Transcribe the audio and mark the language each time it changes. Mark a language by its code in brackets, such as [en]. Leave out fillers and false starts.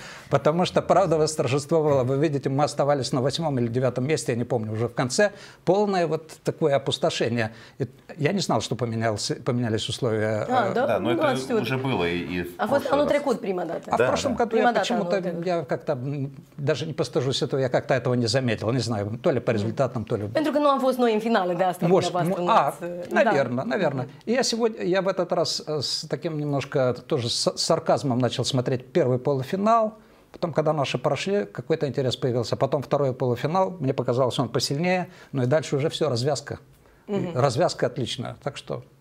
[ru] Потому что правда восторжествовала. Вы видите, мы оставались на 8-м или 9-м месте, я не помню, уже в конце. Полное вот такое опустошение. Я не знал, что поменялись условия. Но это уже было. А в прошлом году я почему-то, я как-то даже не постыжусь этого, я как-то этого не заметил. Не знаю, то ли по результатам, то ли... [ro] Pentru că nu am fost noi în finale, de asta. [ru] Наверное. И я сегодня, я в этот раз с таким немножко тоже с сарказмом начал смотреть первый полуфинал. Потом, когда наши прошли, какой-то интерес появился. Потом второй полуфинал, мне показалось, он посильнее. Ну и дальше уже все, развязка. Развязка отличная. Так что...